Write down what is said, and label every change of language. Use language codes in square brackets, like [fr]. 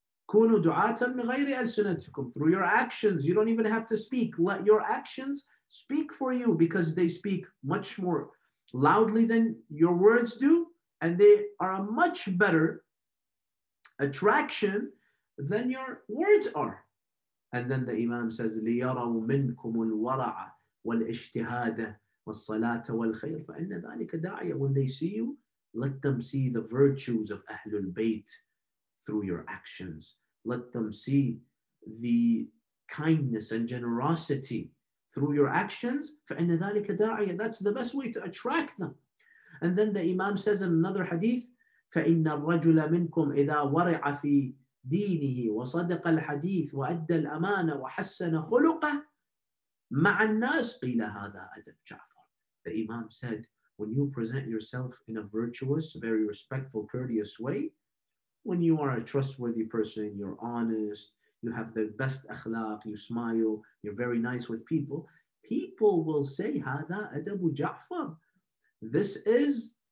[ar] Kunu du'atan bighayri al-sinatikum. [en] Through your actions, you don't even have to speak. Let your actions speak for you, because they speak much more loudly than your words do. And they are a much better attraction than your words are. And then the Imam says, [ar] لِيَرَوْ مِنْكُمُ الْوَرَعَ وَالْإِجْتِهَادَ وَالصَّلَاةَ وَالْخَيْرِ فَإِنَّ ذَلِكَ دَعْيَ. [en] When they see you, let them see the virtues of Ahlul Bayt through your actions. Let them see the kindness and generosity through your actions. [ar] فَإِنَّ ذَلِكَ دَعْيَ. [en] That's the best way to attract them. And then the Imam says in another hadith, [ar] فَإِنَّ الرَّجُلَ مِنْكُمْ إِذَا وَرِعَ فِي دِينِهِ وَصَدَقَ الْحَدِيثِ وَأَدَّ الْأَمَانَ وَحَسَّنَ خُلُقَهِ مَعَ النَّاسِ قِيلَ هَذَا أَدَبْ جَعْفَرٍ. [en] The Imam said, when you present yourself in a virtuous, very respectful, courteous way, when you are a trustworthy person, you're honest, you have the best akhlaq, you smile, you're very nice with people, people will say, [ar] هَذَا أَدَبُ جَعْفَرٍ. [en] This is